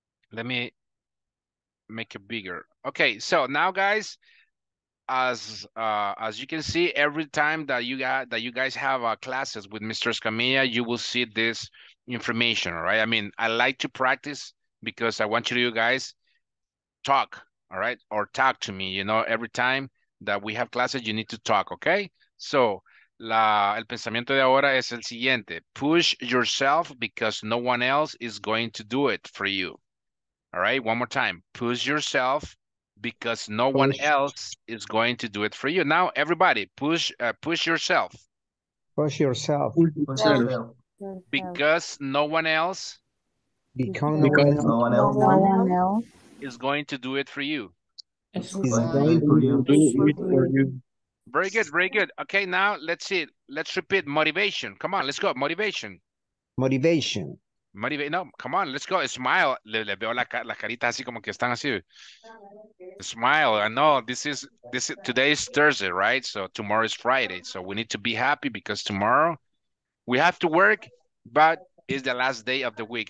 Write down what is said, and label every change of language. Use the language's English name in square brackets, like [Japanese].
[English] Let me make it bigger. Okay, so now guys, as you can see, every time that you guys have classes with Mr. Escamilla, you will see this information, right? I mean, I like to practice because I want you guys talk, all right? Or talk to me, you know, every time that we have classes, you need to talk, okay? [Spanish] So, el pensamiento de ahora es el siguiente. [English] Push yourself because no one else is going to do it for you. All right, one more time. Push yourself because no one Push. else is going to do it for you. Now, everybody, push yourself. Push yourself. Push yourself. Because no one else become because no one else. Else. No one else is going to do it for you. Very good, very good. Okay, now let's see. Let's repeat motivation. Come on, let's go. Motivation. Motivation. Motivate. No, come on, let's go. Smile. [Spanish] Le veo la carita así como que están así. [English] Smile. I know this is today is Thursday, right? So tomorrow is Friday. So we need to be happy because tomorrow we have to work, but it's the last day of the week.